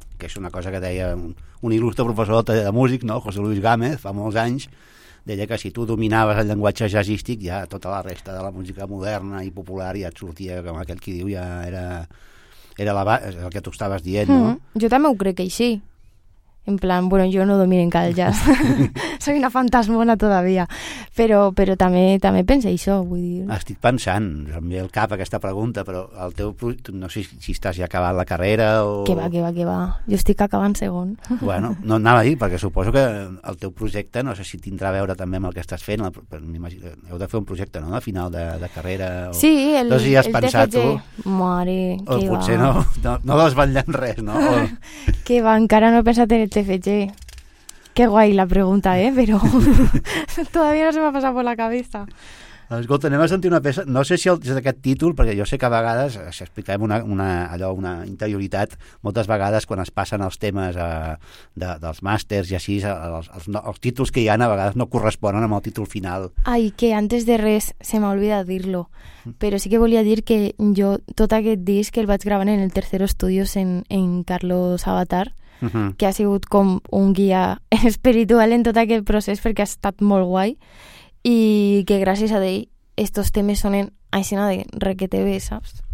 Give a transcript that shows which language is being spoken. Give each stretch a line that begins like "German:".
Catalan: que és una cosa que deia un il·lustre professor de músic, no? José Luis Gámez, fa molts anys, deia que si tu dominaves el llenguatge jazzístic, ja tota la resta de la música moderna i popular ja et sortia, com aquell qui diu, ja era el que tu estaves dient, no? Jo també ho crec que així. En plan, bueno, jo no domino encara el jazz.
Spanish: Soy una fantasmona todavía.
Catalan: Però també penso això, vull dir... Estic pensant, em ve al cap aquesta pregunta, però el teu... No sé si estàs ja acabant la carrera o... Que va. Jo estic acabant segon. Bueno, no anava a dir, perquè suposo que el teu projecte, no sé si tindrà a veure també amb el que estàs fent, heu de fer un projecte, no?, a final de carrera. O... Sí, el TFG. No sé si has pensat, TFG, tu. Mare, o que potser va. No desvetllant res, no? O... Que va, encara no he pensat en el TFG.
Spanish: Qué guay la pregunta, pero todavía no se me ha pasado por la cabeza.
Catalan: Escolta, anem a sentir una peça, no sé si és d'aquest títol, perquè jo sé que a vegades, si expliquem una interioritat, moltes vegades quan es passen els temes dels màsters i així, els títols que hi ha a vegades no corresponen amb el títol final. Ai, que antes de res se m'ha oblidat dir-lo, però sí que volia dir que jo tot aquest disc el vaig gravant en el Tercero Estudios en Carlos Avatar, que ha sigut com un guia espiritual en tot aquest procés perquè ha estat molt guai i que gràcies a ell estos temes sonen aixina de requete bé, saps?